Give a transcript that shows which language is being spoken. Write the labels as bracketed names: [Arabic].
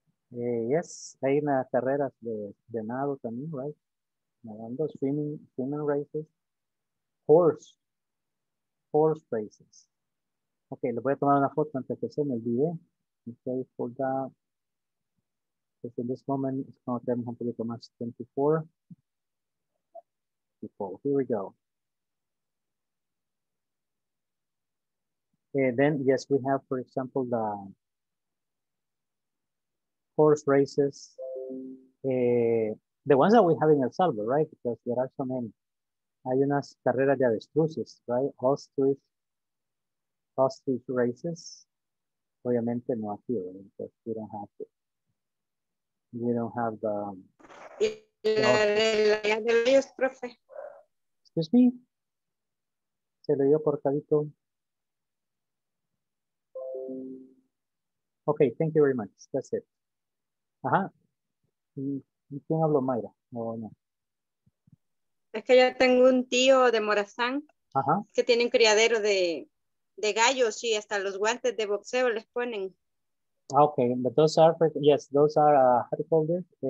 [Spanish] Yes, hay una carrera de nado también, right? [English] Nadando, swimming races, horse races. [Spanish] Okay, le voy a tomar una foto antes que se me olvide. [English] Okay, for that. Because in this moment, it's going to be 24. People, here we go. And then, yes, we have, for example, the horse races. The ones that we have in El Salvador, right? Because there are so many. [Spanish] Hay unas carreras de avestruces, [English] right? Ostrich races. [Spanish] Obviamente no aquí, [English] right? We don't have to. We don't have the. [Spanish] Profe. [English] Excuse me. [Spanish] Se le dio cortadito. [English] Okay, thank you very much. That's it. Ajá. [Spanish] ¿Quién habló, Mayra? [English] Oh, no. [Spanish] Es que yo tengo un tío de Morazán. Ajá. Que tiene un criadero de gallos, y hasta los guantes de boxeo les ponen. [English] Okay, but those are, how do you call this?